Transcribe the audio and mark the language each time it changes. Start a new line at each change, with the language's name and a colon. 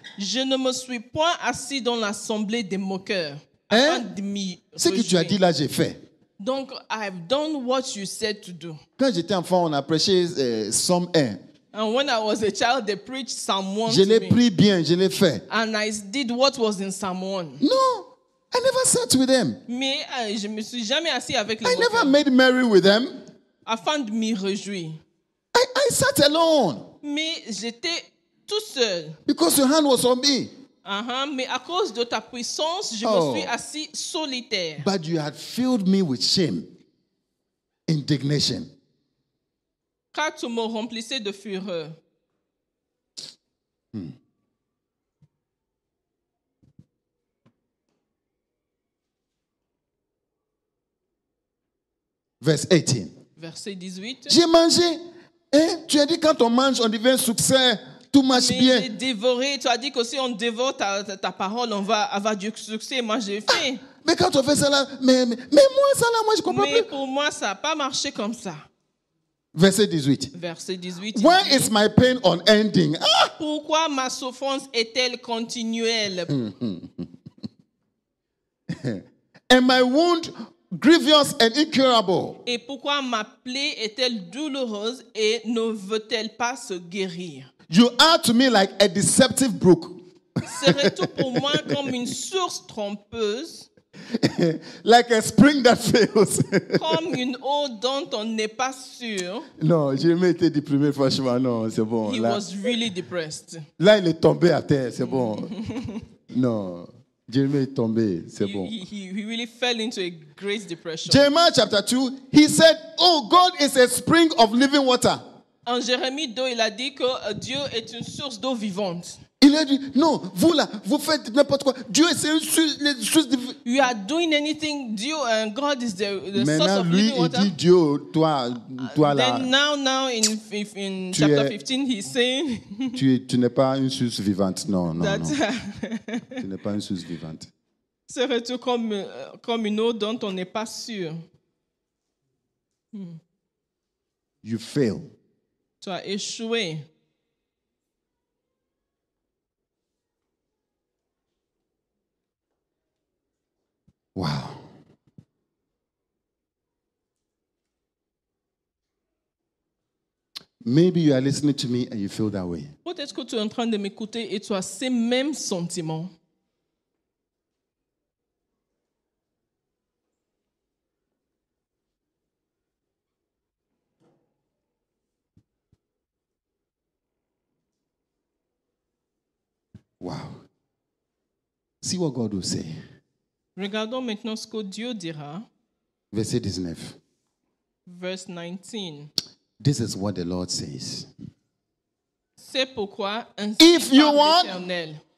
French: Je ne me suis point assis dans l'assemblée des moqueurs. Hein? Avant de m'y ce que tu as dit là, j'ai fait.
English: Donc, I've done what you said to do.
French: Quand j'étais enfant, on a prêché Psalm 1.
English: And when I was a child, they preached Psalm 1.
French: Je l'ai pris bien, je l'ai fait.
English: And I did what was in Psalm 1. No, I never sat with them.
French: Mais je me suis jamais assis avec les
English: I
French: moqueurs.
English: Never made merry with them.
French: Afin de m'y réjouir.
English: I sat alone.
French: Mais j'étais tout seul.
English: Because your hand was on me. Uh-huh.
French: Mais à cause de ta puissance, je me suis assis solitaire.
English: But you had filled me with shame, indignation.
French: car tu me remplissais de fureur. Verset 18. J'ai mangé. Tu as dit quand on mange, on devient succès, tout marche bien. J'ai dévoré. Tu as dit que si on dévore ta parole, on va avoir du succès. Moi, j'ai faim. Mais quand on fait ça là, mais moi, ça là, moi, je comprends mais plus. Mais pour moi, ça n'a pas marché comme ça. Verset 18.
English: Where is my pain unending?
French: Pourquoi ma souffrance est-elle continuelle?
English: And my wound grievous and incurable.
French: Et pourquoi ma plaie est-elle douloureuse et ne veut-elle pas se guérir?
English: You are to me like a deceptive brook.
French: Serais-tu pour moi comme une source trompeuse?
English: Like a spring that fails.
French: Comme une eau dont on n'est pas sûr. Non, j'ai même été déprimé, franchement, non, c'est bon.
English: He là, was really depressed.
French: Là, il est tombé à terre, c'est bon. Non. Jeremiah est tombé, c'est bon.
English: He really fell into a great depression. Jeremiah chapter 2, he said, oh, God is a spring of living water.
French: En Jérémie 2, il a dit que Dieu est une source d'eau vivante. Il a dit, non, vous là, vous faites n'importe quoi. Dieu est une source de vivante.
English: You are doing anything, Dieu, and God is the source of living water.
French: Maintenant, lui, il dit, Dieu, toi là.
English: Then now, in chapter 15, he's saying.
French: tu n'es pas une source vivante, non. tu n'es pas une source vivante. Serais-tu comme une eau dont on n'est pas sûr?
English: You fail.
French: Tu as échoué.
English: Wow. Maybe you are listening to me and you feel that way.
French: Peut-être que tu es en train de m'écouter et tu as ces mêmes sentiments.
English: Wow. See what God will say.
French: Regardons maintenant ce que Dieu dira. Verset 19.
English: Verse 19. This is what the Lord says.
French: C'est pourquoi ainsi parle l'Éternel.